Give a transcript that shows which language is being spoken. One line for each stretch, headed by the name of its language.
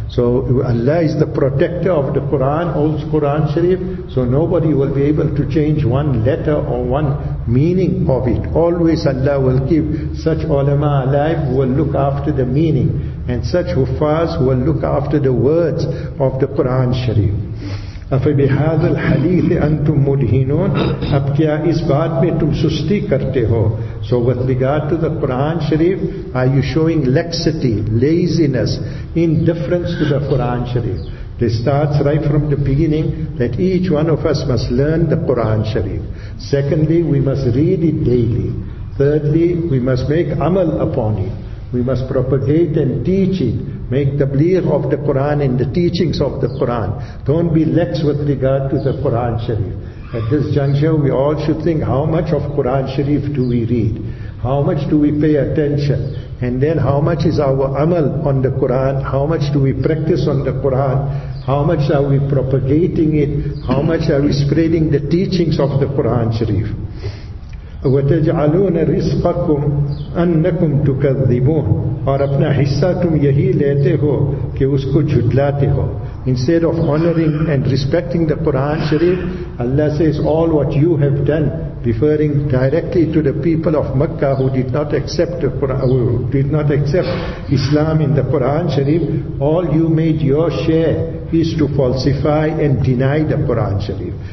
English: So Allah is the protector of the Quran, old Quran Sharif, so nobody will be able to change one letter or one meaning of it. Always Allah will keep such ulama alive who will look after the meaning, and such huffaz who will look after the words of the Quran Sharif.
Arabic: أَفَبِهَذَا الْحَدِيثِ أَنْتُمْ مُدْهِنُونَ
Urdu: اب کیا اس بات میں تم سستی کرتے ہو.
English: So with regard to the Quran Sharif, are you showing laxity, laziness, indifference to the Quran Sharif? This starts right from the beginning that each one of us must learn the Quran Sharif. Secondly, we must read it daily. Thirdly, we must make amal upon it. We must propagate and teach it. Make tabligh of the Quran and the teachings of the Quran. Don't be lax with regard to the Quran Sharif. At this juncture, we all should think, how much of Quran Sharif do we read? How much do we pay attention? And then how much is our amal on the Quran? How much do we practice on the Quran? How much are we propagating it? How much are we spreading the teachings of the Quran Sharif?
Arabic: وَتَجْعَلُونَ رِزْقَكُمْ أَنَّكُمْ تُكَذِّبُونَ
Urdu: اور اپنا حصہ تم یہی لیتے ہو کہ اس کو جھٹلاتے ہو.
English: Instead of honoring and respecting the Quran Sharif, Allah says, all what you have done, referring directly to the people of Makkah who did not accept the Quran, who did not accept Islam in the Quran Sharif, all you made your share is to falsify and deny the Quran Sharif.